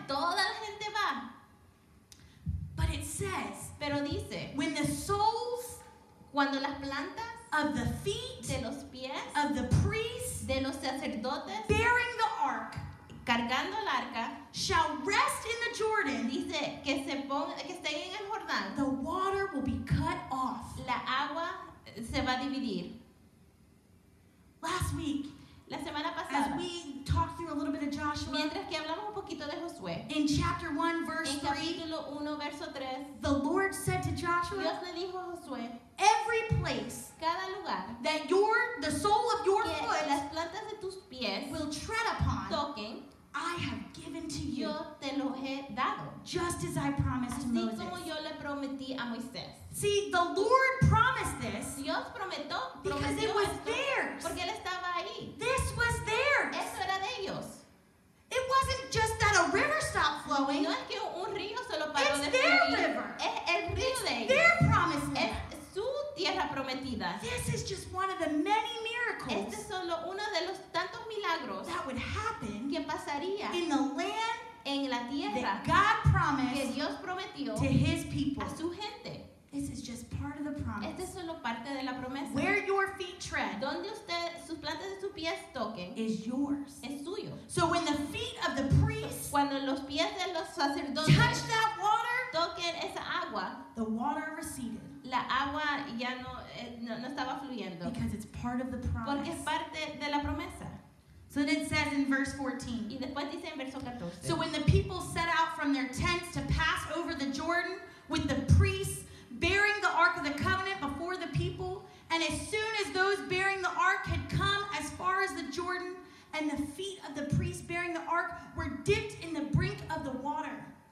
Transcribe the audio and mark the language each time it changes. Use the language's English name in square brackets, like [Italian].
[Spanish] Toda la gente va. [English] But it says, [Spanish] pero dice, [English] when the soles, [Spanish] cuando las plantas, [English] of the feet, [Spanish] de los pies, [English] of the priests, [Spanish] de los sacerdotes, [English] bearing the ark, [Spanish] cargando el arca, [English] shall rest in the Jordan, [Spanish] dice que se ponga, que estén en el Jordán, [English] the water will be cut off. [Spanish] La agua se va a dividir. [English] Last week, [Spanish] la semana pasada, [English] as we talked through a little bit of Joshua, [Spanish] mientras que hablamos un poquito de Josué, [English] in chapter 1, verse [Spanish] 3, en capítulo 1, verso 3, [English] the Lord said to Joshua, [Spanish] Dios le dijo a Josué, [English] every place, [Spanish] cada lugar, [English] that the sole of your foot, [Spanish] las plantas de tus pies, [English] will tread upon, [Spanish] toquen, [English] I have given to you, [Spanish] yo te lo he dado, [English] just as I promised [Spanish] así [English] Moses, [Spanish] como yo le prometí a Moisés. [English] See, the Lord promised this, [Spanish] Dios prometió, [English] because it was [Spanish] esto, [English] theirs, [Spanish] porque él estaba ahí. [English] This was theirs, [Spanish] eso era de ellos. [English] It wasn't just that a river stopped flowing, [Spanish] no es que un río solo paró, [English] it's [Spanish] de [English] their [Spanish] fluir. [English] River, [Spanish] es el río, [English] it's [Spanish] de [English] their [Spanish] ellos. [English] Promise land. [Spanish] Tierra prometida. [English] This is just one of the many miracles. [Spanish] Este es solo uno de los tantos milagros. [English] That would happen. [Spanish] Que pasaría. [English] In the land. [Spanish] En la tierra. [English] That God promised. [Spanish] Que Dios prometió. [English] To his people. [Spanish] A su gente. [English] This is just part of the promise. [Spanish] Este es solo parte de la promesa. [English] Where your feet tread. [Spanish] Donde usted, sus plantas de sus pies toquen. [English] Is yours. [Spanish] Es suyo. [English] So when the feet of the priest. [Spanish] Cuando los pies de los sacerdotes. [English] Touch that water. [Spanish] Toquen esa agua. [English] The water receded. [Spanish] La agua ya no estaba fluyendo. [English] Because it's part of the promise. [Spanish] Porque es parte de la promesa. [English] So then it says in verse 14. [Spanish] Y después dice en verso 14. [English] So when the people set out from their tents to pass over the Jordan with the priests bearing the Ark of the Covenant before the people, and as soon as those bearing the Ark had come as far as the Jordan, and the feet of the priests bearing the Ark were dipped in the brink of the water.